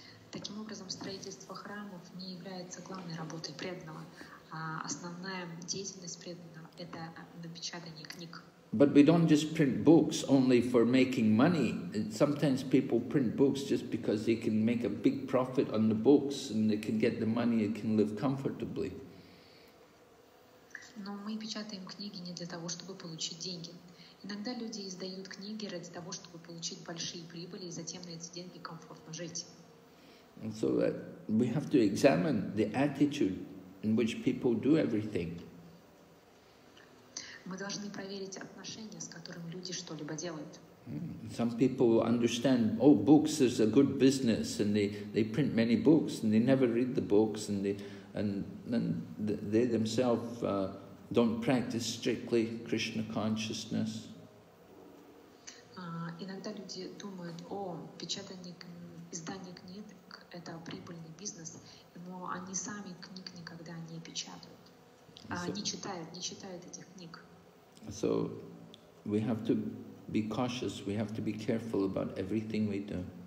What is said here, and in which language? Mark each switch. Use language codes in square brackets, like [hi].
[ru] Таким образом, строительство храмов не является главной работой преданного. Основная деятельность преданного — это напечатание книг. [en] But we don't just print books only for making money. Sometimes people print books just because they can make a big profit on the books and they can get the money and can live comfortably. [ru] Но мы печатаем книги не для того, чтобы получить деньги. Иногда люди издают книги ради того, чтобы получить большие прибыли и затем на эти деньги комфортно жить. [en] And so that we have to examine the attitude in which people do everything. [ru] Мы должны проверить отношения, с которыми люди что-либо делают. [en] Some people understand, oh, books is a good business, and they print many books, and they never read the books, and they themselves don't practice strictly Krishna consciousness. [ru] Иногда люди думают, о, печатание издание книг — это прибыльный бизнес, но они сами книг никогда не печатают, не читают этих книг. [en] So we have to be cautious, we have to be careful about everything we do.